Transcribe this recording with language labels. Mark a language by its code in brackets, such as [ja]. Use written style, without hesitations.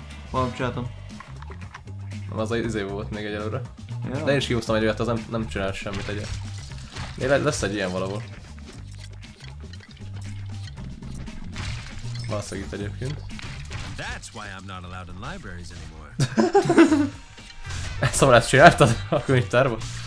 [hu] Valamit csináltam. Nem, az az izé volt még egyelőre. Ja. De én is kihúztam egy olyat, az nem csinál semmit egyet. Lesz egy ilyen valahol. Valószínűleg itt egyébként. [en] That's why I'm not allowed in libraries anymore. [hu] Szóval ezt csináltad a könyvtárba?